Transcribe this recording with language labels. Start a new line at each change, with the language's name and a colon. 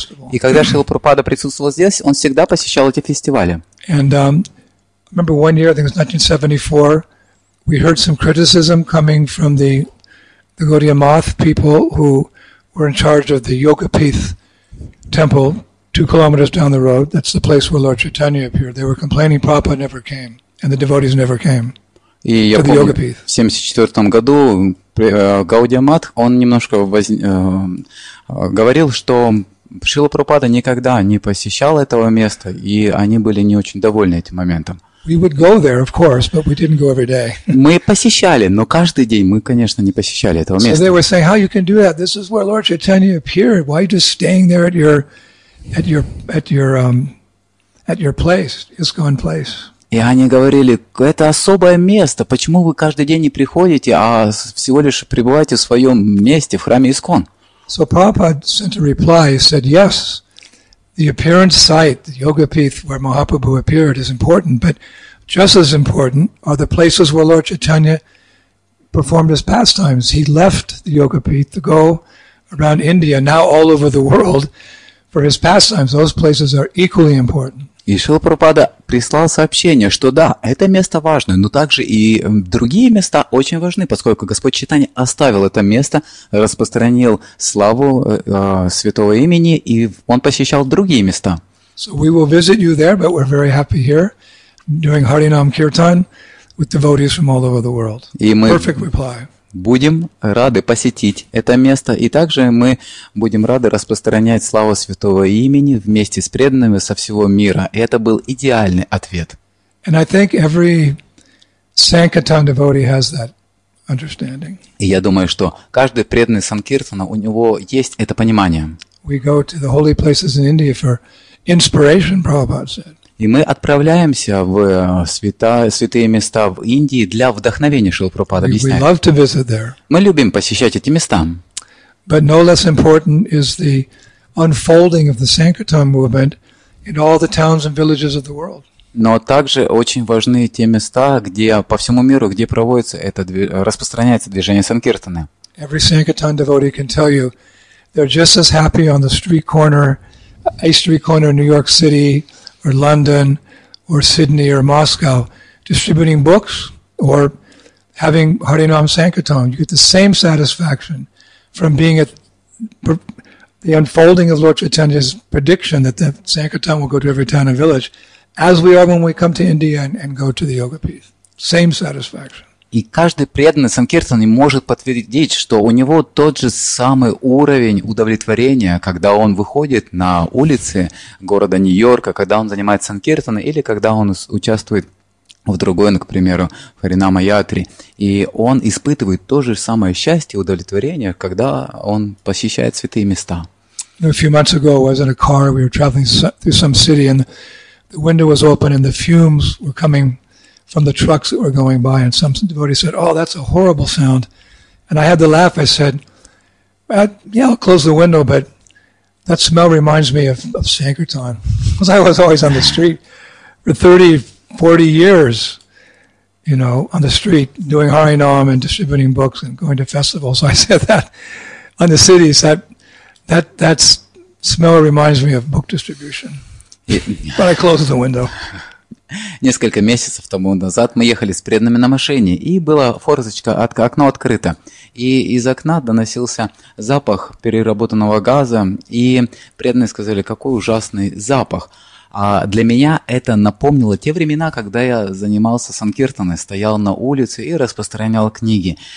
Russian: и когда Шрила Прабхупада присутствовал здесь, он всегда посещал эти фестивали.
English: And, remember one year, I think it was 1974, we heard some criticism coming from the Gaudiya Math people who were in charge of the Yogapith temple 2 kilometers down the road. That's the place where Lord Chaitanya appeared. They were complaining Prabhupada never came, and the devotees never came to the Yogapith.
Russian: В 1974 году Гаудия Матх, он немножко говорил, что Шрила Прабхупада никогда не посещал этого места, и они были не очень довольны этим моментом.
English: We would go there, of course, but we didn't go every day.
Russian: Мы посещали, но каждый день мы, конечно, не посещали этого места.
English: So they were saying, "How you can do that? This is where Lord Chaitanya appeared. Why are you just staying there at your, at your, at your, at your place, ISKCON place?"
Russian: И они говорили, это особое место. Почему вы каждый день не приходите, а всего лишь пребываете в своем месте в храме ИСКОН?
English: So Prabhupada sent a reply. He said, "Yes." The appearance site, the Yogapith, where Mahaprabhu appeared, is important, but just as important are the places where Lord Chaitanya performed his pastimes. He left the Yogapith to go around India, now all over the world, for his pastimes. Those places are equally important.
Russian: И Шрила Прабхупада прислал сообщение, что да, это место важно, но также и другие места очень важны, поскольку Господь Чайтанья оставил это место, распространил славу святого имени, и он посещал другие места.
English: So we will visit you there, but we're very happy here, doing Harinam Kirtan with devotees from all over the world. Perfect reply.
Russian: Будем рады посетить это место, и также мы будем рады распространять славу Святого Имени вместе с преданными со всего мира. И это был идеальный ответ.
English: And I think every Sankirtan devotee has that understanding.
Russian: И я думаю, что каждый преданный Санкиртана, у него есть это понимание.
English: We go to the holy places in India for inspiration, Prabhupada said.
Russian: И мы отправляемся в святые места в Индии для вдохновения, Шрила Прабхупада объясняет. Мы любим посещать эти места.
English: But no less important is the unfolding of the Sankirtan movement in all the towns and villages of the world.
Russian: Но также очень важны те места, где по всему миру, где проводится это, распространяется движение Санкиртаны.
English: Every Sankirtan devotee can tell you they're just as happy on the street corner, a street corner in New York City, or London, or Sydney, or Moscow, distributing books, or having Harinam Sankirtan. You get the same satisfaction from being at the unfolding of Lord Chaitanya's prediction that the Sankirtan will go to every town and village, as we are when we come to India and go to the Yogapith. Same satisfaction.
Russian: И каждый преданный Санкиртан может подтвердить, что у него тот же самый уровень удовлетворения, когда он выходит на улицы города Нью-Йорка, когда он занимается Санкиртаном, или когда он участвует в другой, к примеру, в Харинама Ятри. И он испытывает то же самое счастье, удовлетворение, когда он посещает святые места.
English: A few months ago I was in a car, we were traveling through some city, and the window was open, and the fumes were coming from the trucks that were going by, and some devotee said, "Oh, that's a horrible sound." And I had to laugh. I said, "Yeah, I'll close the window, but that smell reminds me of Sankirtan." Because I was always on the street for 30, 40 years, you know, on the street doing Harinam and distributing books and going to festivals. So I said that on the cities, that smell reminds me of book distribution. But I closed the window.
Russian: Несколько месяцев тому назад мы ехали с преданными на машине, и была форточка, окно открыто. И из окна доносился запах переработанного газа, и преданные сказали, какой ужасный запах. А для меня это напомнило те времена, когда я занимался Санкиртаной, стоял на улице и распространял книги.